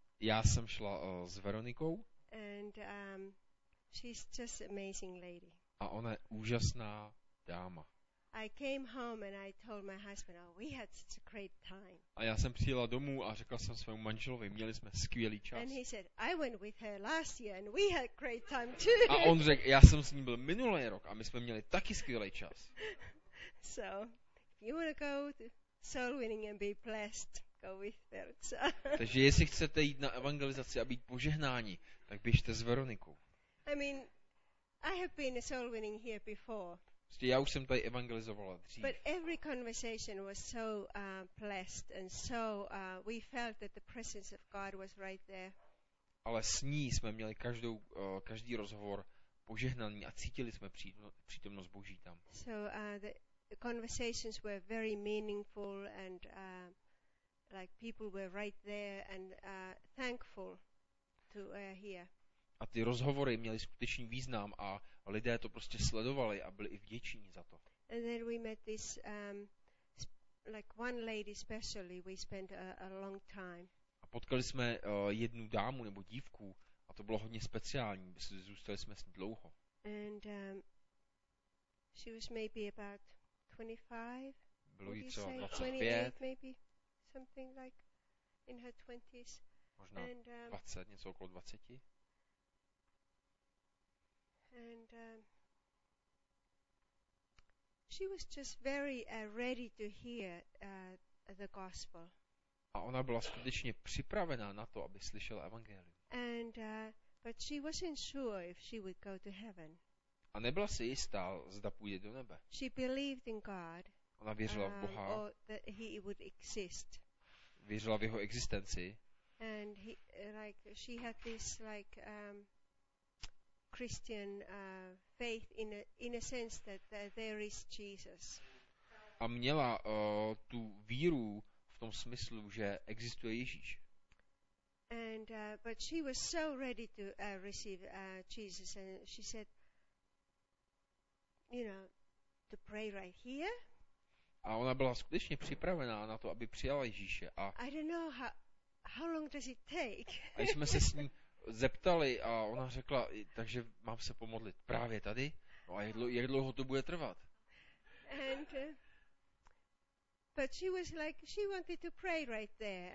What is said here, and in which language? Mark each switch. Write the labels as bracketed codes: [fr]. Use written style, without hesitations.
[cs] Já jsem šla s Veronikou. [en] And she's just amazing lady. [cs] A ona je úžasná dáma. [en] I came home and I told my husband, oh, we had such a great time. [cs] A já jsem přijela domů a řekla jsem svému manželovi, měli jsme skvělý čas. [en] And he said, I went with her last year and we had great time too. [cs] A on řekl, já jsem s ním byl minulý rok a my jsme měli taky skvělý čas. [en] So, if you want to go to soul winning and be blessed, go with Verča. [cs] Takže jestli chcete jít na evangelizaci a být požehnání, tak běžte s Veronikou. [en] I mean, I have been a soul winning here before. [cs] Prostě já už jsem tady evangelizovala dřív. [en] But every conversation was so blessed and so we felt that the presence of God was right there. [cs] Ale s ní jsme měli každý rozhovor požehnaný a cítili jsme přítomnost Boží tam. [en] So the conversations were very meaningful and like people were right there and thankful to hear. [cs] A ty rozhovory měly skutečný význam a lidé to prostě sledovali a byli i vděční za to. [en] And then we met this like one lady specially, we spent a long time. [cs] A potkali jsme jednu dámu nebo dívku A to bylo hodně speciální, zůstali jsme s ní dlouho. [en] And she was maybe about 25. [cs] Bylo jí třeba 25, [en] maybe something like in her 20s. [cs] Možná 20, něco okolo 20. [en] And she was just very ready to hear the gospel. [cs] A ona byla skutečně připravená na to, aby slyšela evangelium. [en] And but she wasn't sure if she would go to heaven. [cs] A nebyla si jistá, zda půjde do nebe. [en] She believed in God. [cs] Ona věřila v Boha. [en] Or that he would exist. [cs] Věřila v jeho existenci. [en] And he, like she had this like Christian faith in a sense that there is Jesus. [cs] A měla tu víru v tom smyslu, že existuje Ježíš. [en] And but she was so ready to receive Jesus, and she said, you know, to pray right here. [cs] A ona byla skutečně připravená na to, aby přijala Ježíše. A [en] I don't know how long does it take. [cs] A jsme se s ní zeptali a ona řekla, takže mám se pomodlit právě tady? No a jak dlouho to bude trvat? [en] And, but she was like, she wanted to pray right there.